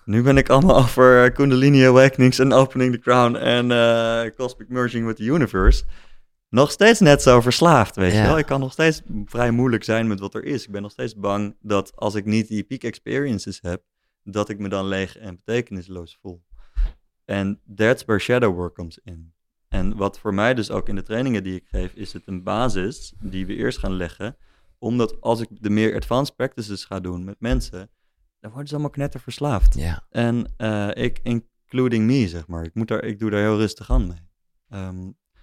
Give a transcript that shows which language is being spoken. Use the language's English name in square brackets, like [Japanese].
[Dutch] Nu ben ik allemaal over Kundalini Awakenings en Opening the Crown en Cosmic Merging with the Universe. Nog steeds net zo verslaafd, weet je wel. Ik kan nog steeds vrij moeilijk zijn met wat er is. Ik ben nog steeds bang dat als ik niet die peak experiences heb, dat ik me dan leeg en betekenisloos voel. [English] En that's where shadow work comes in. [Dutch] En wat voor mij dus ook in de trainingen die ik geef, is het een basis die we eerst gaan leggen. Omdat als ik de meer advanced practices ga doen met mensen, dan worden ze allemaal knetter verslaafd. Ja. En ik, [English] including me, [Dutch] zeg maar. Ik doe daar heel rustig aan mee.